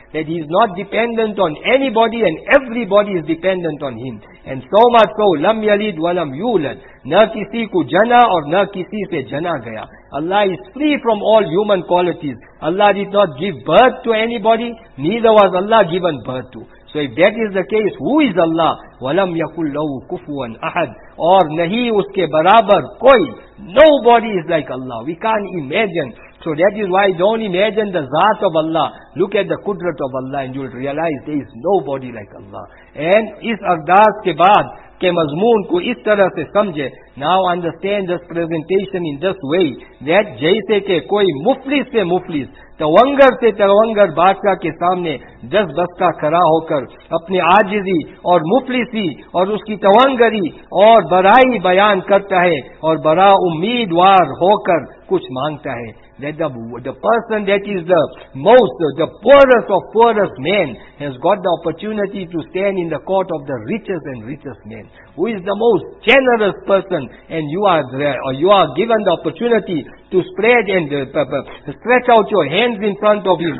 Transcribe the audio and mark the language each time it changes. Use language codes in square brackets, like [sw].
[en] That he is not dependent on anybody and everybody is dependent on him. And so much so, [ar] lam yalid wa lam yulad. [ur] Na kisi ko jana aur na kisi se jana gaya. [en] Allah is free from all human qualities. Allah did not give birth to anybody, neither was Allah given birth to. So if that is the case, who is Allah? [ar] وَلَمْ يَكُلْ لَهُ كُفُوًا أَحَدٍ [ur] اور نہیں اس کے برابر کوئی. [en] Nobody is like Allah. We can't imagine. So that is why don't imagine the Zat of Allah. Look at the Qudrat of Allah and you'll realize there is nobody like Allah. [ur] And اس ارداس کے بعد کے مضمون کو اس طرح سے سمجھے. [en] Now understand this presentation in this way. [ur] That جیسے کہ کوئی مفلس سے مفلس تونگر سے تونگر بادشاہ کے سامنے دس بستہ کھرا ہو کر اپنے عاجزی اور مفلسی اور اس کی تونگری اور برائی بیان کرتا ہے اور برا امیدوار ہو کر کچھ مانگتا ہے. [en] That the person that is the most, the poorest of poorest men has got the opportunity to stand in the court of the richest and richest man. Who is the most generous person and you are there, or you are given the opportunity to spread and stretch out your hands in front of him.